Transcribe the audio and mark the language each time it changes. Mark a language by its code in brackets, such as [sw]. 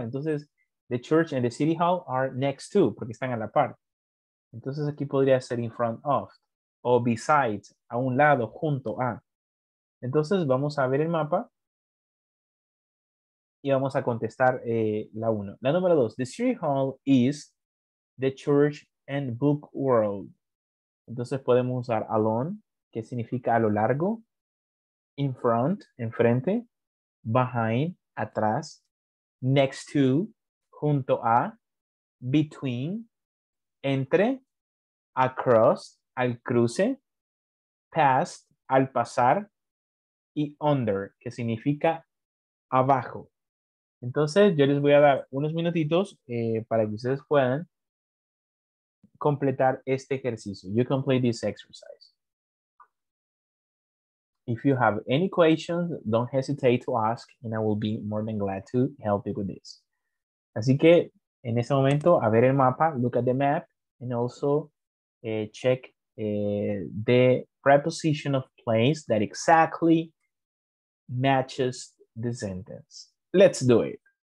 [en] Entonces, the church and the city hall are next to, [es] porque están a la par. Entonces, aquí podría ser in front of, o beside, a un lado, junto a. Entonces, vamos a ver el mapa y vamos a contestar la uno. La número dos, [en] the city hall is the church and book world. [es] Entonces, podemos usar along, que significa a lo largo, in front, enfrente, behind, atrás, next to, junto a, between, entre, across, al cruce, past, al pasar, y under, que significa abajo. Entonces, yo les voy a dar unos minutitos para que ustedes puedan completar este ejercicio. [en] You complete this exercise. If you have any questions, don't hesitate to ask, and I will be more than glad to help you with this. [es] Así que En ese momento, a ver el mapa, [en] look at the map, and also check the preposition of place that exactly matches the sentence. Let's do it.